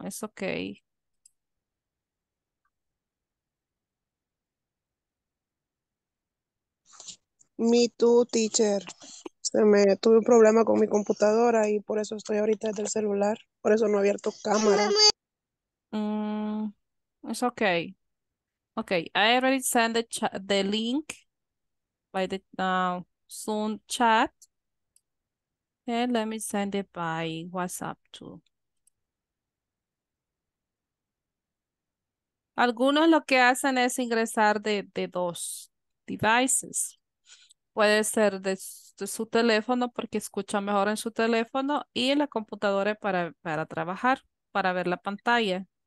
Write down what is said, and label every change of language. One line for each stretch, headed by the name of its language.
English: It's okay. Me too, teacher.
Spanish: Se me tuve un problema con mi computadora y por eso estoy ahorita desde el celular. Por eso no he abierto cámara.
English: It's okay. Okay, I already sent the link by the Zoom chat. And let me send it by WhatsApp too.
Spanish: Algunos lo que hacen es ingresar de dos devices. Puede ser de su teléfono porque escucha mejor en su teléfono y en la computadora para trabajar, para ver la pantalla.